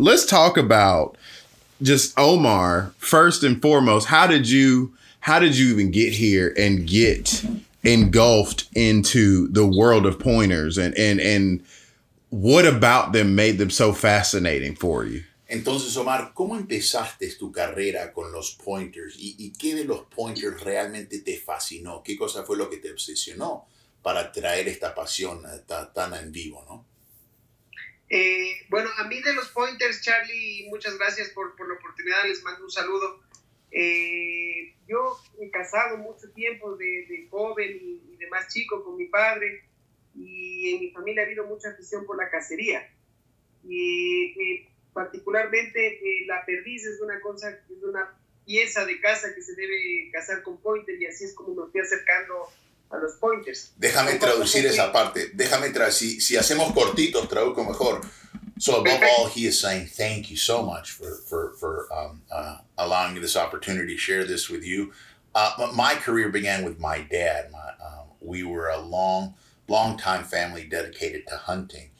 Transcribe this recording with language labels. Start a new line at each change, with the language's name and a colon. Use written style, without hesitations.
English: Let's talk about just Omar. First and foremost, how did you even get here and get engulfed into the world of pointers? And what about them made them so fascinating for you?
Spanish: Entonces, Omar, ¿cómo empezaste tu carrera con los pointers? ¿Y qué de los pointers realmente te fascinó? ¿Qué cosa fue lo que te obsesionó para traer esta pasión tan en vivo, no? Bueno, a mí de los pointers, Charlie, muchas gracias por la oportunidad. Les mando un saludo. Yo he cazado mucho tiempo de joven y de más chico con mi padre, y en mi familia ha habido mucha afición por la cacería. Y particularmente la perdiz es una pieza de caza que se debe cazar con pointer, y así es como me fui acercando a los pointers. Déjame traducir esa parte. Déjame traducir. Si hacemos cortitos, traduzco mejor.
English: So above all, he is saying thank you so much for allowing me this opportunity to share this with you. My career began with my dad. We were a long time family dedicated to hunting.